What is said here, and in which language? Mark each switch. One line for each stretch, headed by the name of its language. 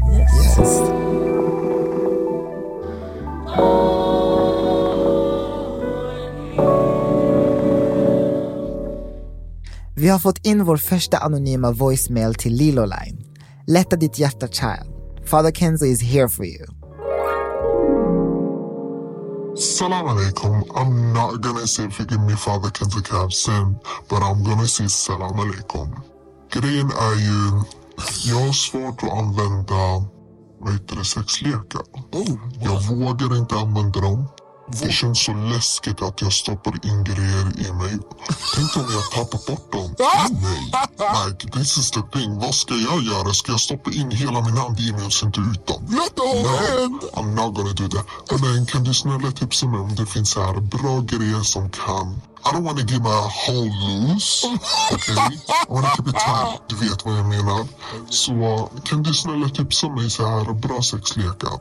English: Yes.
Swedish: Vi har fått in vår första anonyma voicemail till Lilo Line. Lätta ditt hjärta, child.
English: Father Kenzo is here for you.
Arabic: Salam alaikum.
English: I'm not gonna say forgive me, Father Kenzo can have sin, but I'm gonna say
Arabic: salam alaikum.
Swedish: Grejen är ju, jag har svårt att använda, sexlekar. Jag vågar inte använda dem. Det känns så läskigt att jag stoppar in grejer i mig. Tänk om jag tappar bort dem.
English: Nej, like, this is the thing.
Swedish: Vad ska jag göra? Ska jag stoppa in hela min hand i mig och sen ta ut dem?
English: I'm not gonna do that.
Swedish: Men kan du snälla tipsa mig om det finns här bra grejer som kan...
English: I don't wanna give my hole loose. Okay? I wanna keep it tight.
Swedish: Du vet vad jag menar. Så kan du snälla tipsa mig så här bra sexleka?